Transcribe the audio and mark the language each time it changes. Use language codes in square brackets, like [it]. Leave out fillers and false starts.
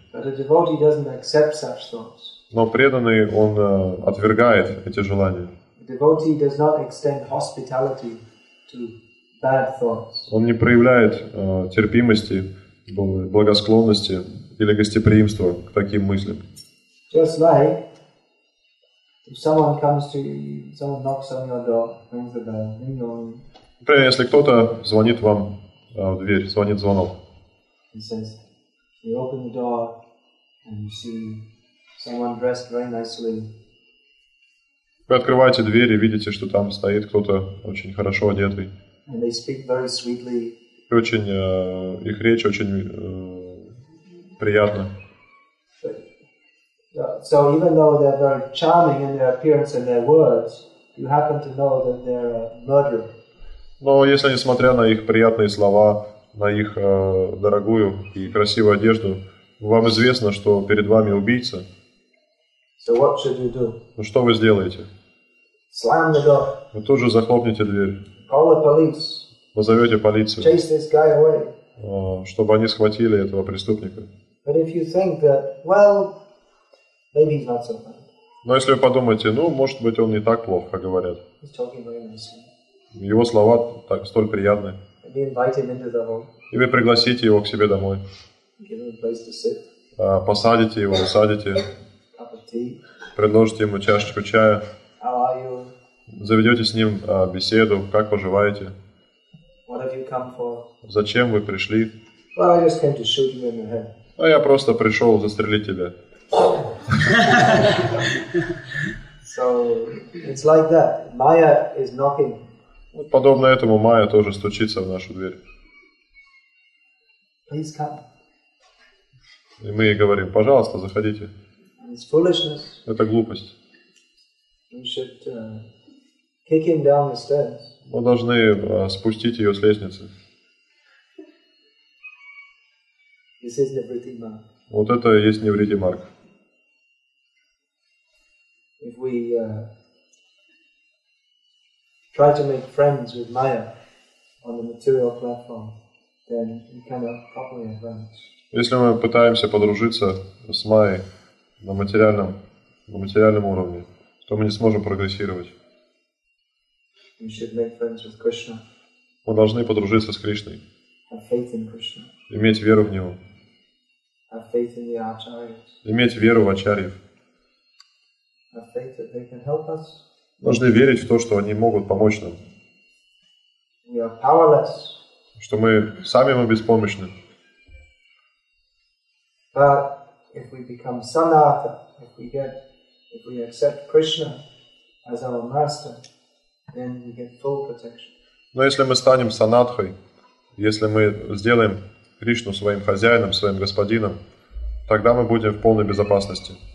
[en] But a devotee doesn't accept such thoughts. [ru] Но преданный, он отвергает эти желания. [en] A devotee does not extend hospitality to bad thoughts. [ru] Он не проявляет терпимости, благосклонности или гостеприимства к таким мыслям. [en] Just like if someone comes to you, someone knocks on your door, rings the bell, ring dong. [ru] Например, если кто-то звонит вам в дверь, звонит звонок. [en] He says, you open the door and you see someone dressed very nicely. [ru] Вы открываете дверь и видите, что там стоит кто-то очень хорошо одетый. [en] And they speak very sweetly. [ru] И очень, их речь очень приятна. [en] So even though they're very charming in their appearance and their words, you happen to know that they're a murderer. [ru] Но если несмотря на их приятные слова, на их дорогую и красивую одежду, вам известно, что перед вами убийца. [en] So what should you do? [ru] Ну что вы сделаете? [en] Slam the door. [ru] Вы тут же захлопните дверь. [en] Call the police. [ru] Позовете полицию. [en] Chase this guy away. [ru] Чтобы они схватили этого преступника. [en] But if you think that, well, maybe he's not so bad. [ru] Но если вы подумаете, ну, может быть, он не так плох, как говорят. [en] He's talking very nicely. [ru] Его слова так столь приятны. [en] And you invite him into the home. [ru] И вы пригласите его к себе домой. [en] Give him a place to sit. [ru] Посадите его, усадите. [en] Cup of tea. [ru] Предложите ему чашечку чая. [en] How are you? [ru] Заведете с ним беседу, как поживаете. [en] What have you come for? [ru] Зачем вы пришли? [en] Well, I just came to shoot him in the head. [ru] А я просто пришел застрелить тебя. [en] So it's like that. Maya is knocking. [ru] Подобно этому Майя тоже стучится в нашу дверь. [en] Please come. [ru] И мы ей говорим, пожалуйста, заходите. [en] It's foolishness. [ru] Это глупость. [en] We should kick him down the stairs. [ru] Мы должны спустить ее с лестницы. [en] This is Nivriti Mark. [ru] Вот это и есть Nivriti Mark. [en] If we try to make friends with Maya on the material platform, then we cannot properly advance. [ru] Если мы пытаемся подружиться с Майей на материальном, уровне, то мы не сможем прогрессировать. [en] We should make friends with Krishna. [ru] Мы должны подружиться с Кришной. [en] Have faith in Krishna. [ru] Иметь веру в него. [en] Have faith in the Acharyas. [ru] Иметь веру в Ачарьев. [en] Have faith that they can help us. [ru] Нужно верить в то, что они могут помочь нам. [en] We are powerless. [ru] Что мы сами, мы беспомощны. [en] But if we become sannatha, if we accept Krishna as our master, then we get full protection. [ru] Но если мы станем санатхой, если мы сделаем Кришну своим хозяином, своим господином, тогда мы будем в полной безопасности.